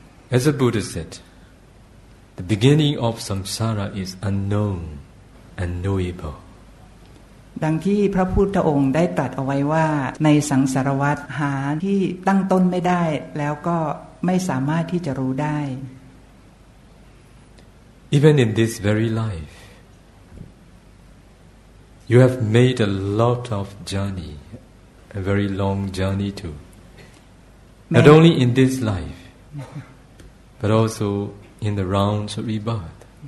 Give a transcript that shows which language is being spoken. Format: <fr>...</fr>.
<en>As the Buddha said,The beginning of samsara is unknown and knowable.</en> <th>ดังที่พระพุทธองค์ได้ตรัสเอาไว้ว่าในสังสารวัฏหาที่ตั้งต้นไม่ได้แล้วก็ไม่สามารถที่จะรู้ได้</th> <en>Even in this very life, you have made a lot of journey, a very long journey too. Not only in this life, but also in the rounds of rebirth.</en>